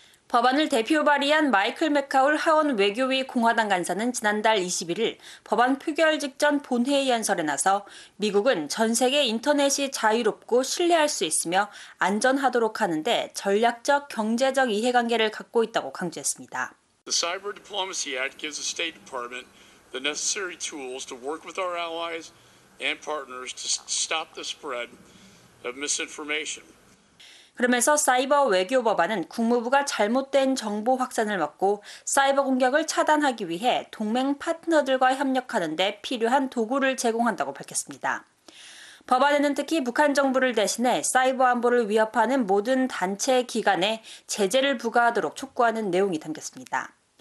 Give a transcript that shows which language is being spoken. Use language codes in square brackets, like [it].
[ko] 법안을 대표 발의한 마이클 맥카울 하원 외교위 공화당 간사는 지난달 21일 법안 표결 직전 본회의 연설에 나서 미국은 전 세계 인터넷이 자유롭고 신뢰할 수 있으며 안전하도록 하는 데 전략적 경제적 이해관계를 갖고 있다고 강조했습니다. [en] The Cyber Diplomacy Act gives the State Department the necessary tools to work with our allies and partners to stop the spread of misinformation. [ko] 그러면서 사이버 외교 법안은 국무부가 잘못된 정보 확산을 막고 사이버 공격을 차단하기 위해 동맹 파트너들과 협력하는 데 필요한 도구를 제공한다고 밝혔습니다. 법안에는 특히 북한 정부를 대신해 사이버 안보를 위협하는 모든 단체 기관에 제재를 부과하도록 촉구하는 내용이 담겼습니다.